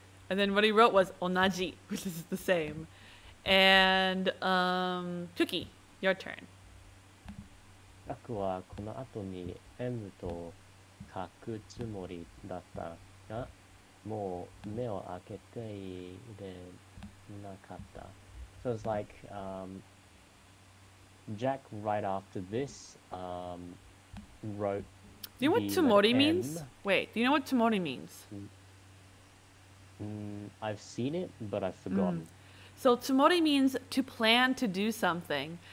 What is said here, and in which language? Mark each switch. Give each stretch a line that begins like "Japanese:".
English: And then what he wrote was 同じ, which is the same. And, Cookie, your turn.
Japanese: ジャクはこの後に M と書くつもりだったが、もう目を開けていれなかった。
English: So it's like, Jack right after this, wrote... Do you know what tomori means? Wait, do you know what tomori means? I've seen it, but I've forgotten. So, tomori means to plan to do something.